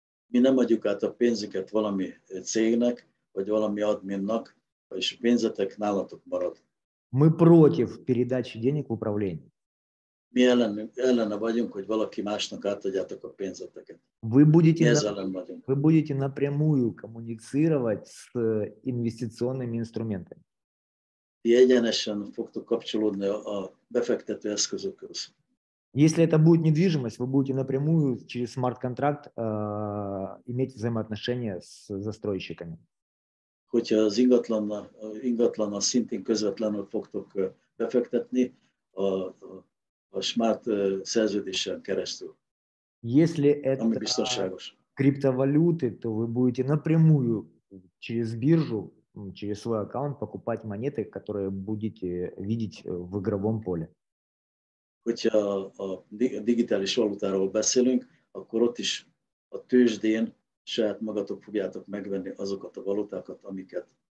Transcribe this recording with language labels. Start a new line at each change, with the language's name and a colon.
Russian: Мы не
Hungarian: adjuk át a pénzeket valami cégnek, vagy valami adminnak, és pénzetek nálatok marad.
Russian: Мы против передачи денег в управление.
Hungarian: Mi ellene vagyunk, hogy valaki másnak átadjátok a pénzeteket.
Russian: Вы будете напрямую коммуницировать с инвестиционными инструментами.
Hungarian: Ti egyenesen fogtok kapcsolódni a befektető eszközökhöz.
Russian: Если это будет недвижимость, вы будете напрямую через смарт-контракт иметь взаимоотношения с застройщиками. Хотя
Hungarian: az ingatlan szintén közvetlenül fogtok befektetni a smart szerződésen keresztül.
Russian: Если это криптовалюты, то вы будете напрямую через биржу, через свой аккаунт покупать монеты, которые будете видеть в игровом поле. Хотя о дигитальных валютах мы говорим,
Hungarian: akkor ott is a tőzsdén saját magatok fogjátok megvenni azokat a valutákat, amiket.